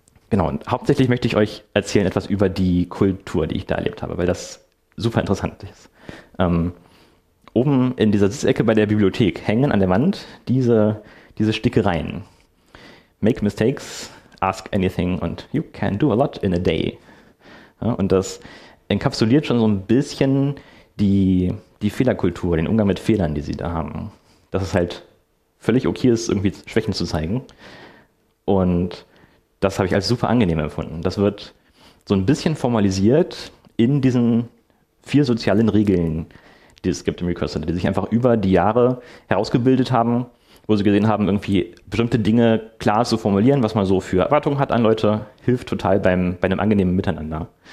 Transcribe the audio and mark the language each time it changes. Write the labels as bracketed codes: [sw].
[de] Genau, und hauptsächlich möchte ich euch erzählen etwas über die Kultur, die ich da erlebt habe, weil das super interessant ist. Oben in dieser Sitzecke bei der Bibliothek hängen an der Wand diese Stickereien. [en] Make mistakes, ask anything and you can do a lot in a day. [de] Ja, und das enkapsuliert schon so ein bisschen die Fehlerkultur, den Umgang mit Fehlern, die sie da haben. Dass es halt völlig okay ist, irgendwie Schwächen zu zeigen. Und das habe ich als super angenehm empfunden. Das wird so ein bisschen formalisiert in diesen vier sozialen Regeln, die es gibt im Recurse Center, die sich einfach über die Jahre herausgebildet haben, wo sie gesehen haben, irgendwie bestimmte Dinge klar zu formulieren, was man so für Erwartungen hat an Leute, hilft total bei einem angenehmen Miteinander.